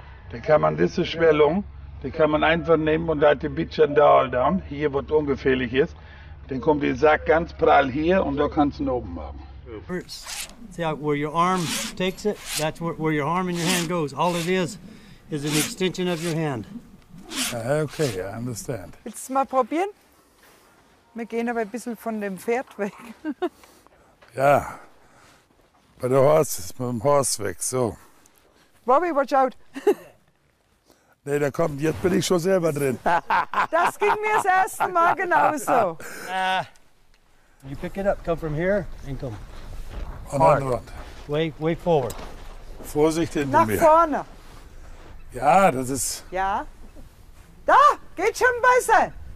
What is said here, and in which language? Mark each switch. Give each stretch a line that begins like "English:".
German: Da kann man diese Schwellung, die kann man einfach nehmen und da hat die Bitchen da dann hier, wo es ungefährlich ist. Dann kommt der Sack ganz prall hier und da kannst du ihn oben haben.
English: See how, where your arm takes it, that's where your arm and your hand goes. All it is an extension of your hand. Okay, I understand.
German: Willst du es mal probieren? Wir gehen aber ein bisschen von dem Pferd weg. Ja, bei der Horse ist mit dem Horse weg, so.
English: Robbie, watch out!
German: Nee, da kommt, jetzt bin ich schon selber drin. Das ging mir das erste Mal genauso.
English: You pick it up, come from here and come. On the other one. Way, way forward.
German: Vorsicht hinter nach mir. Nach vorne. Ja, das ist. Ja. Da, geht schon besser.